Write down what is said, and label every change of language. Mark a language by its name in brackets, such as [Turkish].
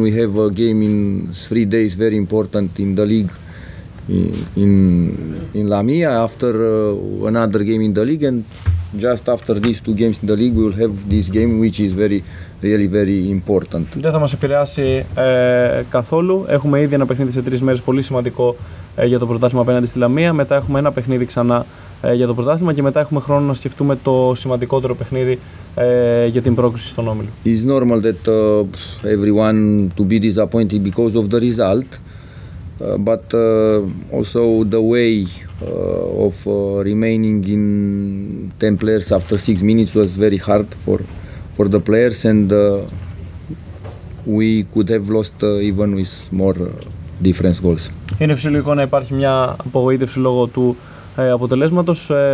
[English] We have a game in 3 days, very important in the league, in Lamia, after another game in the league, and just after these 2 games in the league, we will have this game, which is very, really very important. [Greek] Δεν θα μας επηρεάσει καθόλου. Έχουμε ήδη ένα παιχνίδι σε 3 μέρες, πολύ σημαντικό για το πρωτάθλημα απέναντι στη Λαμία. Μετά έχουμε ένα παιχνίδι ξανά για το πρωτάθλημα και μετά έχουμε χρόνο να σκεφτούμε το σημαντικότερο παιχνίδι για την πρόκριση στον Όμιλο. [English] It's normal that everyone to be disappointed because of the result, but also the way of remaining in 10 players after 6 minutes was very hard for the players, and we could have lost even with more difference goals. [Greek] Είναι φυσιολογικό να υπάρχει μια απογοήτευση λόγω του αποτελέσματος.